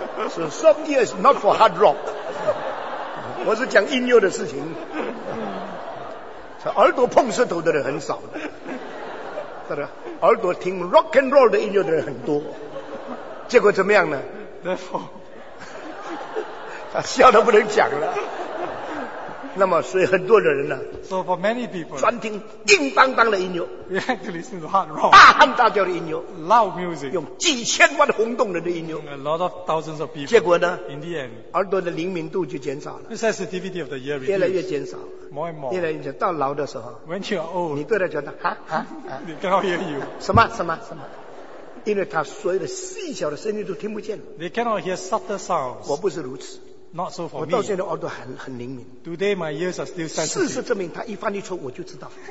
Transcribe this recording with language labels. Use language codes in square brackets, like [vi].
[en] So soft ear is not for hard rock. [zh] 我是讲音乐的事情。耳朵碰石头的人很少的，是吧？耳朵听 rock and roll 的音乐的人很多，结果怎么样呢？ [en] Therefore, [zh] 他笑得不能讲了。那么所以很多的人呢、啊、 [en] So for many people [zh] 专听硬邦邦的音乐 [en] We have to listen to hard rock [zh] 大喊大叫的音乐 [en] Loud music [zh] 用几千万轰动人的音乐 [en] A lot of thousands of people [zh] 结果呢 [en] In the end [zh] 耳朵的灵敏度就减少了 [en] The sensitivity of the ear [zh] 越来越减少 [en] More and more [zh] 越来越到老的时候 [en] When you are old [zh] 你对他觉得哈 [en] 哈 They cannot hear you [zh] 什么什么什么因为他所有的细小的声音都听不见了。 [en] They cannot hear subtle sounds. [zh] 我不是如此。 [en] Not so for me. [zh] 我到现在耳朵很灵敏。 [en] Today my ears are still sensitive. [zh] 事实证明，他一翻一出我就知道。